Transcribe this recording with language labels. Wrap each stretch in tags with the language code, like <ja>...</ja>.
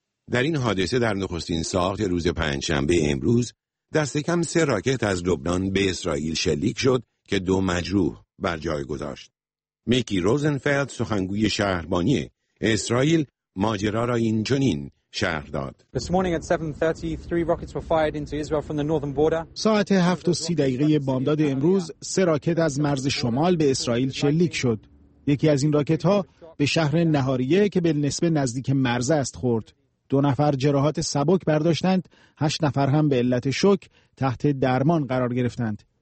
<fa>در این حادثه در نخستین ساعت روز پنجشنبه امروز دست کم 3 راکت از لبنان به اسرائیل شلیک شد که 2 مجروح بر جای گذاشت. میکی روزنفلد سخنگوی شهربانی اسرائیل ماجرا را این چنین شهر داد.</fa> <en>This morning at 7:30 3 rockets were fired into Israel from the northern border.</en> <fa>ساعت 7:30 دقیقه بامداد امروز 3 راکت از مرز شمال به اسرائیل شلیک شد. یکی از این راکت ها به شهر نهاریه که به نسبه نزدیک مرز است خورد. 2 نفر جراحات سبک برداشتند، 8 نفر هم به علت شوک تحت درمان قرار گرفتند.</fa>